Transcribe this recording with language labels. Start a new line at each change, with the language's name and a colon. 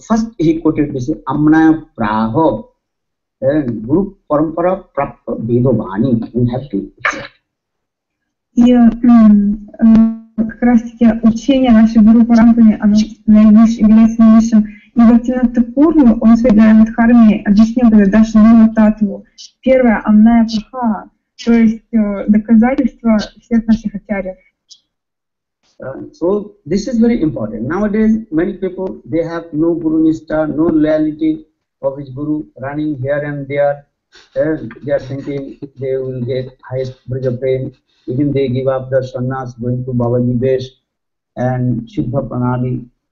English: First he quoted this Amnaya Praho and Guru Parampara Prapta Vedavani. We have to
Russian: как раз таки учение нашей Гуру Парампаре, оно наивысшее, является наивысшим. И Бхактивинода Такур, он в своей Гаямадхарме объяснил это Дашанама Таттву. Первое — Амная Праха, то есть доказательство всех наших ачарьев.
English: So this is very important. Nowadays many people they have no guru nishtha, no loyalty of his guru, running here and there. They are thinking they will get highest braja prem. Even they give up the sannyas, going to Baba Nibesh and Shuddha Pranali.